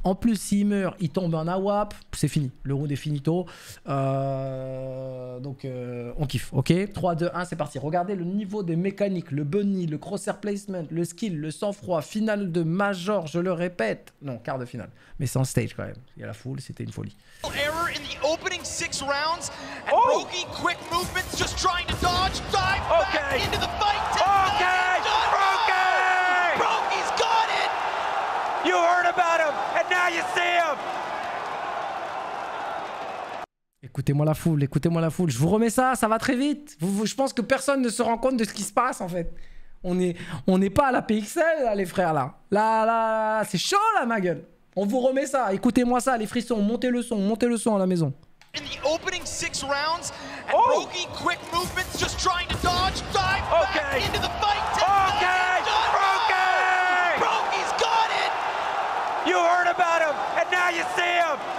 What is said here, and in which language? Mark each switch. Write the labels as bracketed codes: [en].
[fr] En plus s'il meurt, il tombe en AWAP, c'est fini, le round est finito, donc on kiffe, ok, 3, 2, 1, c'est parti, regardez le niveau des mécaniques, le bunny, le crosshair placement, le skill, le sang-froid, finale de Major, je le répète, non, quart de finale, mais c'est en stage quand même, il y a la foule, c'était une folie. [en] Error in the opening 6 rounds, and oh Brocky, quick movements, just trying to dodge, dive back, okay, into the fight. Okay, Brocky! Brocky's got it! You heard about him, and now you see him! [fr] écoutez-moi la foule, écoutez-moi la foule. Je vous remets ça, ça va très vite. Je pense que personne ne se rend compte de ce qui se passe, en fait. On est pas à la PXL, là, les frères, là. Là, c'est chaud, là, ma gueule. On vous remet ça, écoutez-moi ça, les frissons. Montez le son à la maison. [en] In the opening six rounds, and oh. Brogy, quick movements, just trying to dodge, dive okay. Back into the fight. Okay, Brogy! Brogy's got it! You heard about him, and now you see him!